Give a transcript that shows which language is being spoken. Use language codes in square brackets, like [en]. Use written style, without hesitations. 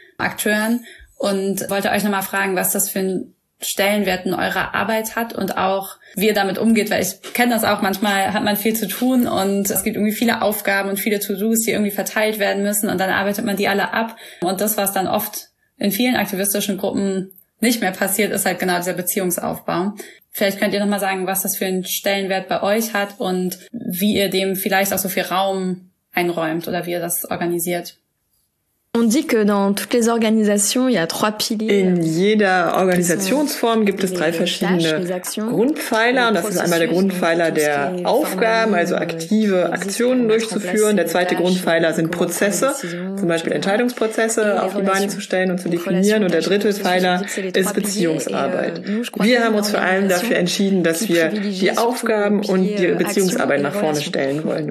[de] Akteuren und wollte euch nochmal fragen, was das für einen Stellenwert in eurer Arbeit hat und auch wie ihr damit umgeht, weil ich kenne das auch, manchmal hat man viel zu tun und es gibt irgendwie viele Aufgaben und viele To-Dos, die irgendwie verteilt werden müssen und dann arbeitet man die alle ab und das, was dann oft in vielen aktivistischen Gruppen nicht mehr passiert, ist halt genau dieser Beziehungsaufbau. Vielleicht könnt ihr nochmal sagen, was das für einen Stellenwert bei euch hat und wie ihr dem vielleicht auch so viel Raum einräumt oder wie ihr das organisiert. [fr] On dit que dans toutes les organisations, il y a trois piliers. [de] In jeder Organisationsform gibt es drei verschiedene Grundpfeiler. Und das ist einmal der Grundpfeiler der Aufgaben, also aktive Aktionen durchzuführen. Der zweite Grundpfeiler sind Prozesse, zum Beispiel Entscheidungsprozesse auf die Beine zu stellen und zu definieren. Und der dritte Pfeiler ist Beziehungsarbeit. Wir haben uns vor allem dafür entschieden, dass wir die Aufgaben und die Beziehungsarbeit nach vorne stellen wollen.